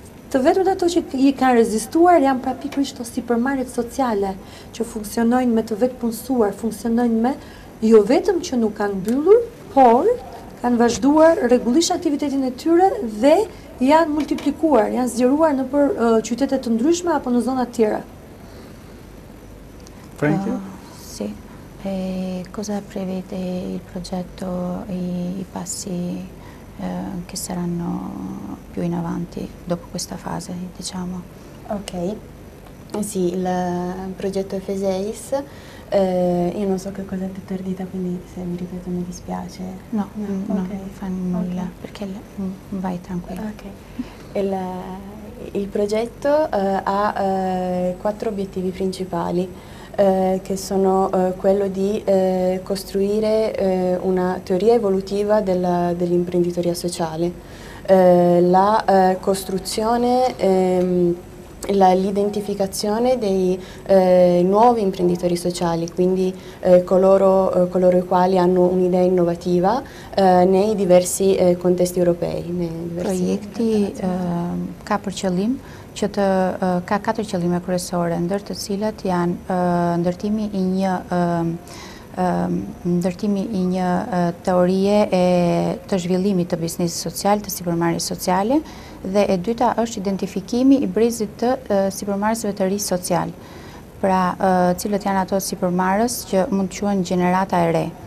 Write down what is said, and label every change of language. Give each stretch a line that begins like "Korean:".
Albanian: të vetmet ato që I kanë rezistuar janë pra pikërisht ato supermarket sociale që funksionojnë me të vetë punësuar, funksionojnë me jo vetëm që nuk kanë mbyllur, por kanë vazhduar rregullisht aktivitetin e tyre dhe janë multiplikuar, janë zgjeruar në për qytete të ndryshme apo në zonat tjera. Frank,
Italian: si. Cosa prevede il progetto e i passi che saranno più in avanti dopo questa fase, diciamo? Ok, sì, il progetto FESEIS, io non so che cosa ti ho detto, quindi se mi ripeto mi dispiace. No, no, okay. Non fa nulla, okay. Perché vai tranquilla. Okay. Il progetto ha quattro obiettivi principali, che sono quello di costruire una teoria evolutiva dell'imprenditoria sociale, la costruzione... l'identificazione dei nuovi imprenditori sociali, quindi coloro i quali hanno un'idea innovativa nei diversi contesti europei.
Albanian: Projekti ka per qëllim, që të, ka katër qëllime kryesore, ndër të cilat janë ndërtimi i një teorie e të zhvillimit të biznesit social, të supermarketit sociale, dhe e dyta është identifikimi i brezit të supermarketëve të ri social, pra cilët janë ato supermarket që mund të quhen gjenerata e re.